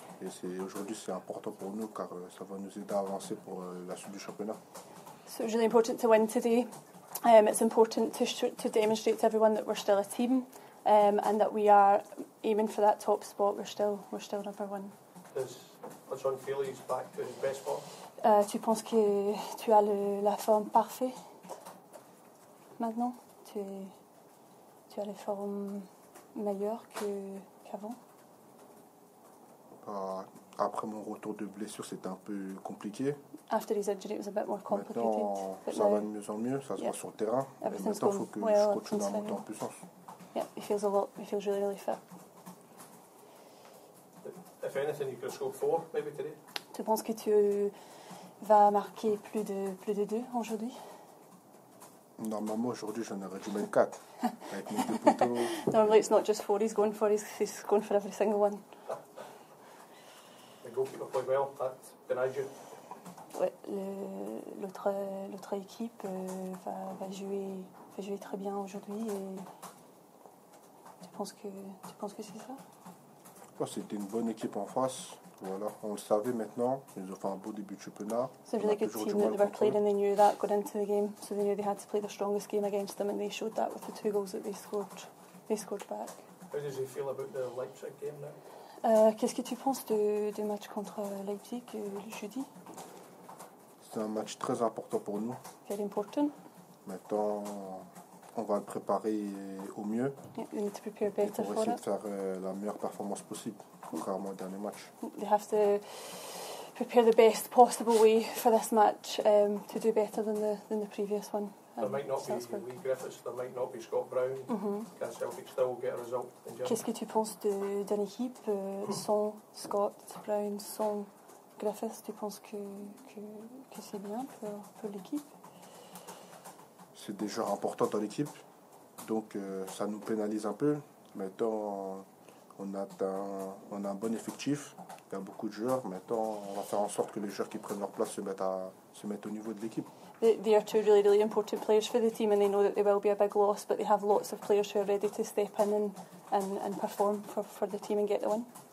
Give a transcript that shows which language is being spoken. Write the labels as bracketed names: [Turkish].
[French] Et c'est aujourd'hui c'est important pour nous car ça va nous aider à avancer pour la suite du championnat. [English] So it's really important to win today. It's important to demonstrate to everyone that we're still a team and that we are aiming for that top spot. We're still number one. Is John Feely back to his best spot? [French] Tu penses que tu as la forme parfaite maintenant? Tu as la forme meilleure que avant? Après mon retour de blessure, c'était un peu compliqué. [English] After his injury, it was a bit more complicated. [French] Maintenant, ça va de mieux en mieux, ça se voit sur le terrain. [English] Everything's [French] maintenant, il faut que [English] well, [French] je continue à monter en puissance. [English] Yeah, he feels a lot. He feels really, really fit. If anything, you could score four, maybe today. [French] Tu penses que tu vas marquer plus de deux aujourd'hui? Normalement aujourd'hui j'en aurais dû mettre 4 avec mes deux poteaux. [English] Normally it's not just 4 he's going for every single one. The goalkeeper played well, that denied you. [French] Ouais, l'autre équipe va jouer très bien aujourd'hui et tu penses que c'est ça? Ouais, c'était une bonne équipe en face. Voilà, on le savait maintenant, ils ont fait un beau début de championnat. [English] So really good team that they were played and they knew that going into the game. So they knew they had to play the strongest game against them and they showed that with the two goals that they scored. They scored back. How does he feel about the Leipzig game now? [French] Qu'est-ce que tu penses du match contre Leipzig le jeudi? C'est un match très important pour nous. [English] Very important. [French] Maintenant, on va le préparer au mieux. [English] Yeah, you need to prepare better for it. [French] Pour essayer de faire la meilleure performance possible. [English] They have to prepare the best possible way for this match to do better than the previous one. There might not be Lee Griffiths, there might not be Scott Brown. Mm-hmm. Can Celtic still get a result in Germany? [French] Qu'est-ce que tu penses d'une équipe sans Scott Brown, sans Griffiths? Tu penses que c'est bien pour l'équipe? C'est des joueurs importants dans l'équipe, donc ça nous pénalise un peu. Maintenant, on a un bon effectif, il y a beaucoup de joueurs. Maintenant, on va faire en sorte que les joueurs qui prennent leur place se mettent au niveau de l'équipe. [English] They are two really, really important players for the team, and they know that they will be a big loss. But they have lots of players who are ready to step in and perform for the team and get the win.